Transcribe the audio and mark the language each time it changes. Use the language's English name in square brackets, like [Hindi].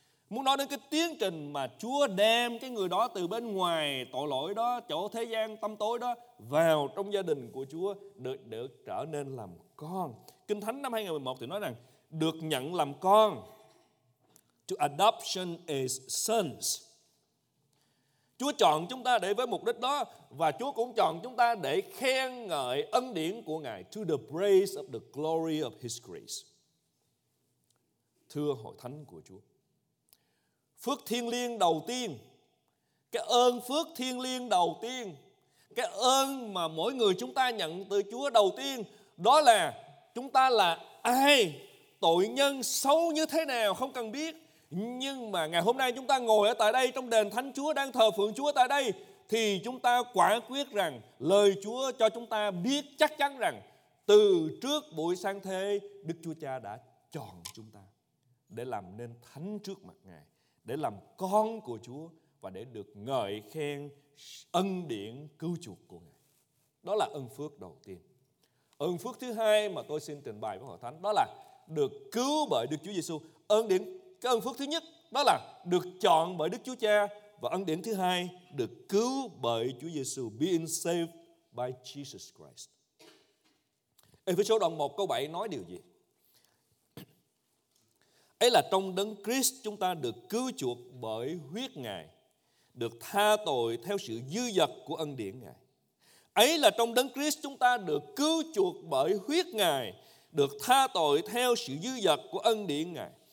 [Vietnamese] Muốn nói đến cái tiến trình mà Chúa đem cái người đó từ bên ngoài tội lỗi đó, chỗ thế gian tâm tối đó, vào trong gia đình của Chúa, được trở nên làm con. Kinh Thánh năm 2011 thì nói rằng được nhận làm con. [English] To adoption is sons. [Vietnamese] Chúa chọn chúng ta để với mục đích đó, và Chúa cũng chọn chúng ta để khen ngợi ân điển của Ngài. [English] To the praise of the glory of His grace. [Vietnamese] Thưa hội thánh của Chúa, phước thiêng liêng đầu tiên, cái ơn phước thiêng liêng đầu tiên, cái ơn mà mỗi người chúng ta nhận từ Chúa đầu tiên, đó là chúng ta là ai, tội nhân xấu như thế nào không cần biết. Nhưng mà ngày hôm nay chúng ta ngồi ở tại đây trong đền thánh Chúa, đang thờ phượng Chúa tại đây, thì chúng ta quả quyết rằng lời Chúa cho chúng ta biết chắc chắn rằng từ trước buổi sáng thế, Đức Chúa Cha đã chọn chúng ta để làm nên thánh trước mặt Ngài, để làm con của Chúa và để được ngợi khen ân điển cứu chuộc của Ngài. Đó là ân phước đầu tiên. Ân phước thứ hai mà tôi xin trình bày với hội thánh, đó là được cứu bởi Đức Chúa Giê-xu. Cái ân phước thứ nhất đó là được chọn bởi Đức Chúa Cha, và ân điển thứ hai được cứu bởi Chúa Giê-xu. [English] Being saved by Jesus Christ. [Vietnamese] Ephesians đoạn 1 câu 7 nói điều gì? Ấy là trong đấng Christ chúng ta được cứu chuộc bởi huyết Ngài, được tha tội theo sự dư dật của ân điển Ngài. Ấy là trong đấng Christ chúng ta được cứu chuộc bởi huyết Ngài, được tha tội theo sự dư dật của ân điển Ngài.